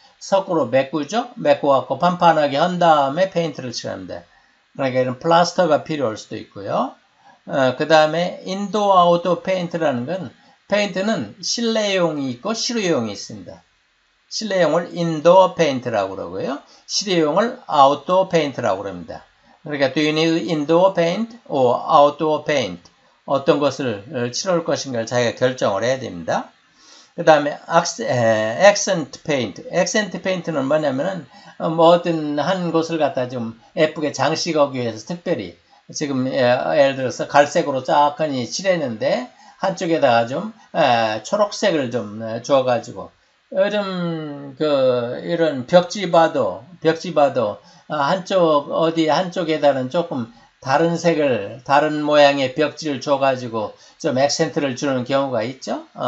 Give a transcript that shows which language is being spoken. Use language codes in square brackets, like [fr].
[ko] 석고로 메꾸죠? 메꿔갖고 판판하게 한 다음에 페인트를 칠하는데. 그러니까 이런 플라스터가 필요할 수도 있고요. 그 다음에 인도 아웃도 페인트라는 건 페인트는 실내용이 있고 실외용이 있습니다. 실내용을 인도어 페인트라고 그러고요. 실외용을 아웃도어 페인트라고 그럽니다. 그러니까 [en] do you need indoor paint or outdoor paint? [ko] 어떤 것을 칠할 것인가를 자기가 결정을 해야 됩니다. 그 다음에 accent paint. accent paint는 뭐냐면은 뭐든 한 곳을 갖다 좀 예쁘게 장식하기 위해서 특별히 지금 예를 들어서 갈색으로 쫙 하니 칠했는데 한쪽에다가 좀 초록색을 좀 주어가지고 요즘 이런 벽지 봐도 한쪽에다는 조금 다른 색을 다른 모양의 벽지를 줘가지고 좀 액센트를 주는 경우가 있죠.